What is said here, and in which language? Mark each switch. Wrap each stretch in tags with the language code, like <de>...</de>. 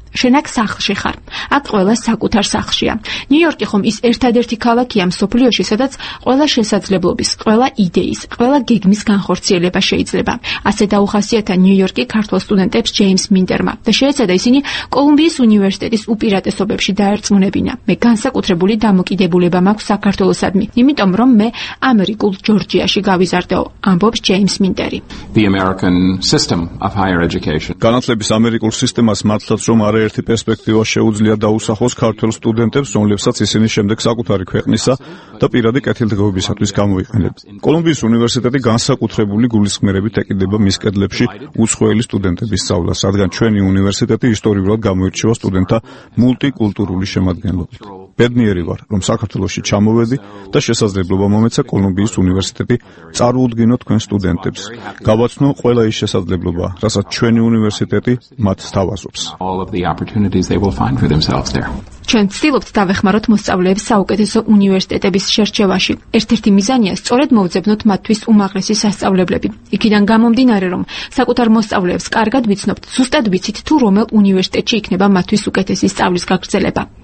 <ka>შენ აქ სახლში ხარ. აქ ყველა საკუთარ სახლშია. ნიუ-იორკი ხომ ის ერთადერთი ქალაქია მსოფლიოში, სადაც ყველა შესაძლებლობის, ყველა იდეის, ყველა გეგმის განხორციელება შეიძლება. ასე დაუხასიათა ნიუ-იორკი ქართულ სტუდენტებს ჯეიმს მინტერმა და შეეცადა ისინი კოლუმბიის უნივერსიტეტის უპირატესობებში დაერწმუნებინა. მე განსაკუთრებული დამოკიდებულება მაქვს საქართველოსადმი, იმიტომ რომ მე ამერიკულ ჯორჯიაში გავიზარდეო, ამბობს ჯეიმს მინტერი.</ka> <en>The American system of higher education.</en> <ka>განათლების ამერიკულ სისტემას მართლაც რომ არაერთი პერსპექტივა შეუძლია დაუსახოს ქართულ სტუდენტებს, რომლებსაც ისინი შემდეგ საკუთარი ქვეყნისა და პირადი კეთილდღეობისათვის გამოიყენებს. კოლუმბიის უნივერსიტეტი განსაკუთრებული გულისხმიერებით ეკიდება მის კედლებში უცხოელი სტუდენტების სწავლას, რადგან ჩვენი უნივერსიტეტი ისტორიულად გამოირჩევა სტუდენტთა მულტიკულტურული შემადგენლობით. ბედნიერი ვარ, რომ საქართველოში ჩამოვედი და შესაძლებლობა მომეცა კოლუმბიის უნივერსიტეტი წარუდგინო თქვენ სტუდენტებს. გავაცნო ყველა ის შესაძლებლობა, რასაც ჩვენი უნივერსიტეტი მათ სთავაზობს.</ka> <en>All of the opportunities they will find for themselves there.</en> <ka>ჩვენ ცდილობთ დავეხმაროთ მოსწავლეებს საუკეთესო უნივერსიტეტების შერჩევაში. ერთ-ერთი მიზანია სწორედ მოვძებნოთ მათთვის უმაღლესი სასწავლებლები. იქიდან გამომდინარე, რომ საკუთარ მოსწავლეებს კარგად ვიცნობთ, ზუსტად ვიცით თუ რომელ უნივერსიტეტში იქნება მათთვის უკეთესი სწავლის გაგრძელება.</ka>